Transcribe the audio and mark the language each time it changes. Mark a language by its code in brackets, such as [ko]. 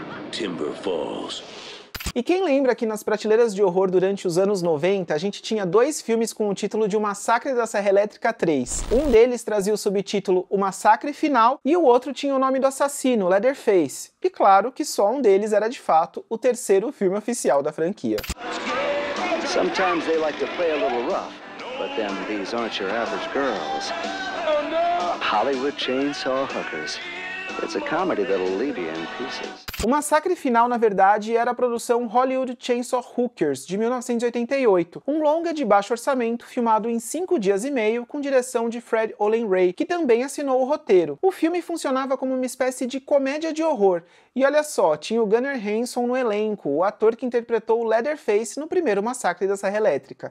[pt] Timber Falls. E quem lembra que nas prateleiras de horror durante os anos 90, a gente tinha dois filmes com o título de O Massacre da Serra Elétrica 3. Um deles trazia o subtítulo O Massacre Final e o outro tinha o nome do assassino, Leatherface. E claro que só um deles era de fato o terceiro filme oficial da franquia. [en] Sometimes they like to play a little rough, but then these aren't your average girls. Hollywood chainsaw hookers. It's a comedy that'll leave you in pieces. [pt] O Massacre Final, na verdade, era a produção Hollywood Chainsaw Hookers, de 1988. Um longa de baixo orçamento, filmado em 5 dias e meio, com direção de Fred Olen Ray, que também assinou o roteiro. O filme funcionava como uma espécie de comédia de horror. E olha só, tinha o Gunnar Hansen no elenco, o ator que interpretou o Leatherface no primeiro Massacre da Serra Elétrica.